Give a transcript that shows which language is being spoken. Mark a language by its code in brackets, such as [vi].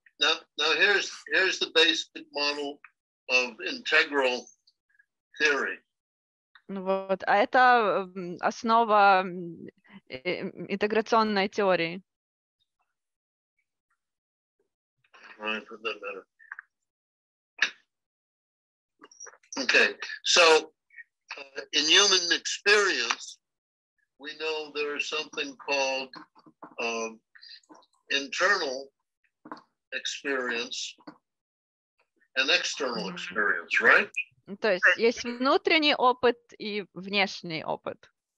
[en] Now here's the basic model of integral theory. [ru] Вот, а это основа интеграционной теории. [en] Okay, so in human experience, we know there is something called internal experience and external experience, right? [ru] То есть есть внутренний опыт и внешний опыт.